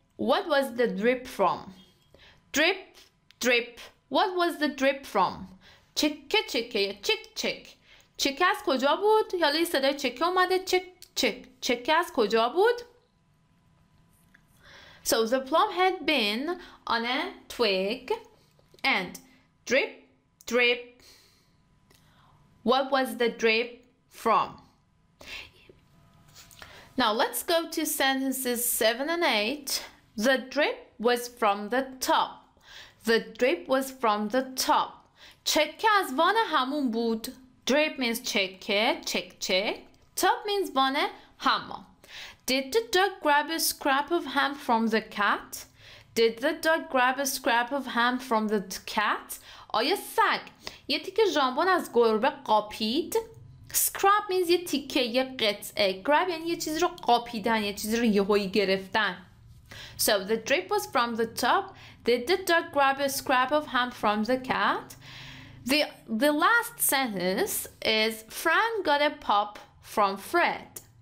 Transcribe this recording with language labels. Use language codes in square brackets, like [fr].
[en] What was the drip from? Drip. What was the drip from? [fa] چک چک یا چک چک. چک از کجا بود؟ حالا یه صدای چک اومده، چک چک. چک از کجا بود؟ [en] So the plum had been on a twig and drip drip. What was the drip from? Now let's go to sentences 7 and 8. The drip was from the top. The drip was from the top. [fa] چکه از وان حموم بود. [en] Drip means [fa] چکه, چک چک. [en] Top means [fa] وان حموم. [en] Did the dog grab a scrap of ham from the cat? Did the dog grab a scrap of ham from the cat? [fa] آیا سگ یه تیکه ژامبون از گربه قاپید؟ [en] Scrap means [fa] یه تیکه، یه قطعه. Grab یعنی یه چیزی رو قاپیدن، یه چیزی رو یهویی گرفتن. [en] So the drip was from the top. Did the dog grab a scrap of ham from the cat? The last sentence is Fran got a pop from Fred.